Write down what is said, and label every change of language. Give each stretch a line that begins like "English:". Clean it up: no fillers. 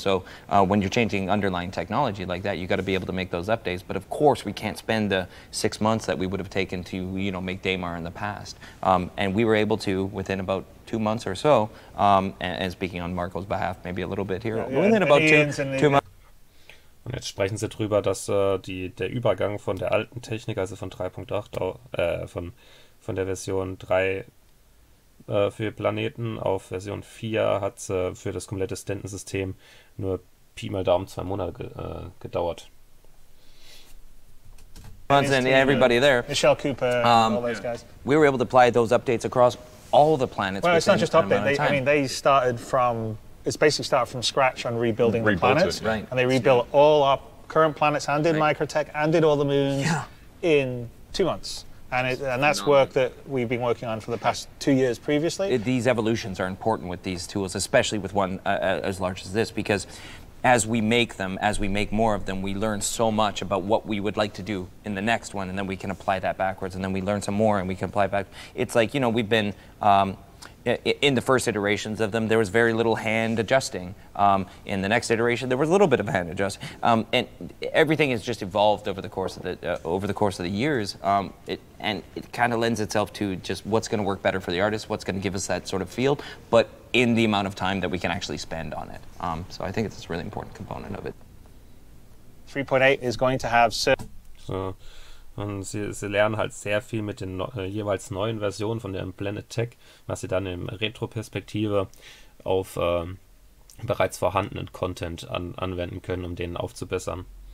English: So when you're changing underlying technology like that, you got to be able to make those updates. But of course, we can't spend the 6 months that we would have taken to, you know, make Daymar in the past. And we were able to, within about 2 months or so, and speaking on Marco's behalf, maybe a little bit here, within about two months.
German: Und jetzt sprechen sie drüber, dass der Übergang von der alten Technik, also von 3.8, von der Version 3 für Planeten auf Version 4 hat für das komplette Stanton-System nur Pi mal Daumen 2 Monate gedauert.
English: And everybody there. Michelle Cooper, all those guys. We were able to apply those updates across all the planets. Well, it's not just updates. I mean, they started from... It's basically started from scratch on rebuilding the planets. Right. And they rebuilt all our current planets and did Microtech and did all the moons in 2 months. And that's work that we've been working on for the past 2 years previously. These evolutions are important with these tools, especially with one as large as this, because as we make them, as we make more of them, we learn so much about what we would like to do in the next one, and then we can apply that backwards, and then we learn some more and we can apply back. It's like, you know, we've been... in the first iterations of them, there was very little hand adjusting. In the next iteration, there was a little bit of hand adjusting. And everything has just evolved over the course of the years. And it kind of lends itself to just what's going to work better for the artist, what's going to give us that sort of feel, but in the amount of time that we can actually spend on it. So I think it's a really important component of it. 3.8 is going to have...
German: Und sie lernen halt sehr viel mit den jeweils neuen Versionen von dem Planet Tech, was sie dann in Retro-Perspektive auf bereits vorhandenen Content anwenden können, um den aufzubessern.